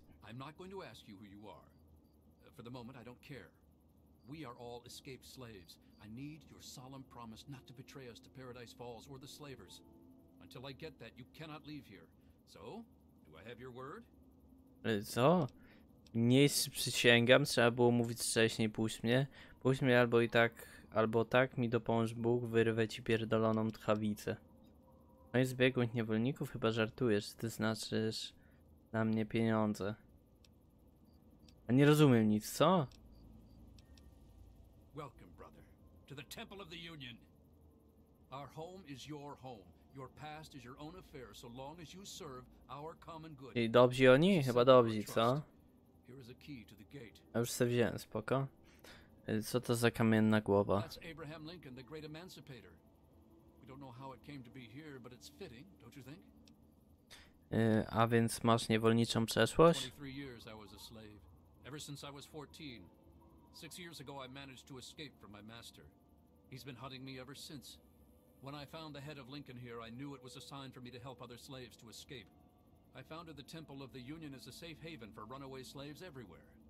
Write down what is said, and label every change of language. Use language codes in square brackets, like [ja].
[en] I'm not going to ask you who you are. For the moment, I don't care. We are all escaped slaves. I need your solemn promise not to betray us to Paradise Falls or the slavers. Until I get that, you cannot leave here. So? Do I have your word? [pl] Co? Nie przysięgam, trzeba było mówić wcześniej, puść mnie. Puść mnie albo i tak, albo tak mi dopomóż Bóg, wyrwę ci pierdoloną tchawicę. No i zbiegłych niewolników, chyba żartujesz, ty znaczysz na mnie pieniądze. A nie rozumiem nic, co? [en] Welcome, brother, to the Temple of the Union. Our home is your home. Your past is your own affair, so long as you serve our common good. [pl] I dobrzy oni? Chyba dobrzy, co? [en] Here is a key to the gate. [pl] Ja już se wziąłem, spoko. Co to za kamienna głowa? [en] That's Abraham Lincoln, the great emancipator. We don't know how it came to be here, but it's fitting, don't you think? [pl] A więc masz niewolniczą przeszłość? [en] 23 years I was a slave. Ever since I was 14. 6 years ago I managed to escape from my master. He's been hunting me ever since. When I found the head of Lincoln here, I knew it was a sign for me to help other slaves to escape. I founded the Temple of the Union as a safe haven for runaway slaves everywhere.